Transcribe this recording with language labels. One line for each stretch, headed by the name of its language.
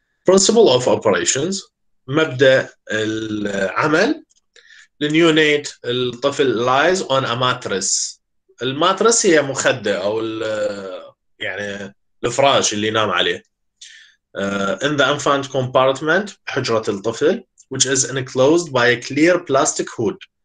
English: Principle of operations
Arabic: مبدأ العمل.
English: The new nate الطفل lies on a mattress.
Arabic: الماترس هي مخدة أو يعني الفراش اللي نام عليه.
English: In the infant compartment
Arabic: حجرة الطفل
English: which is enclosed by a clear plastic hood.